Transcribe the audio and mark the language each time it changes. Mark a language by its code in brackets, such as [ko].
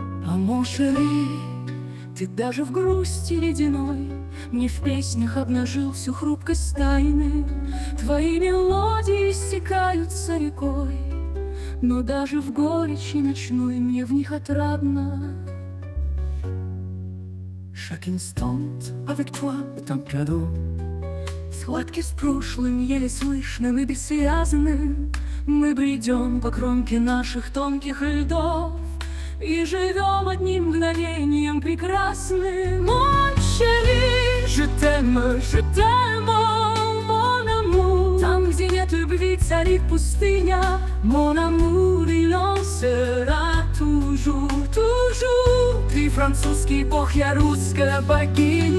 [ru] А Мошери, ты даже в грусти ледяной мне в песнях обнажил всю хрупкость тайны. Твои мелодии стекаются рекой, но даже в горечи ночной мне в них отрадно. [fr] Chaque instant avec toi est un cadeau. [ru] Схватки с прошлым еле слышным и бессвязным. Мы бредем по кромке наших тонких льдов и живем одним мгновением прекрасным. [fr] Mon chéri, je t'aime, je t'aime, mon amour. [ru] Там, где нет любви, царит пустыня. [fr] Mon amour, il en sera toujours, toujours. [ru] Ты французский бог, я русская богиня.